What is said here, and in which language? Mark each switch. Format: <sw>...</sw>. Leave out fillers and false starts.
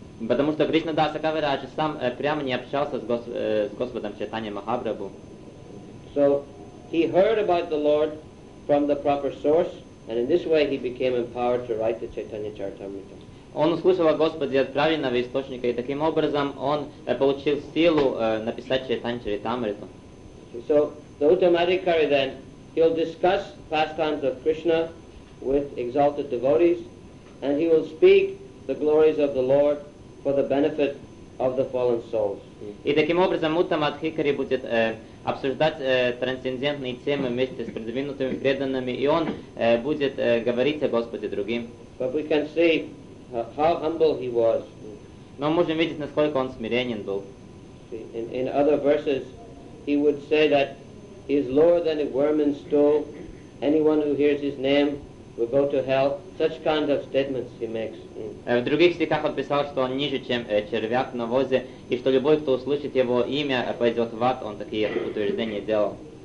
<ru>Потому что Кришна Даса Кавираджа же сам прямо не общался с Господом Чайтанья Махапрабху.</ru> <en>So he heard about the Lord from the proper source, and in this way he became empowered to write the Chaitanya Charitamrita.</en> <ru>Он услышал о Господе от правильного источника, и таким образом он получил силу написать Чайтанья Чаритамриту.</ru> <en>So the Uttamadhikari then, he'll discuss pastimes of Krishna with exalted devotees, and he will speak the glories of the Lord for the benefit of the fallen souls.</en> <ru>И таким образом Уттамадхикари будет обсуждать трансцендентные темы вместе с продвинутыми преданными, и он будет говорить о Господе другим.</ru> <en>But we can see how humble he was.</en> <ru>Но можем видеть, насколько он смиренен был.</ru> <en>In other verses, he would say that he is lower than a worm in stool. Anyone who hears his name will go to hell. Such kind of statements he makes.</en> <ru>В других стихах он писал, что он ниже, чем червяк в навозе, и что любой, кто услышит его имя, пойдет в ад. Он такие утверждения делал.</ru>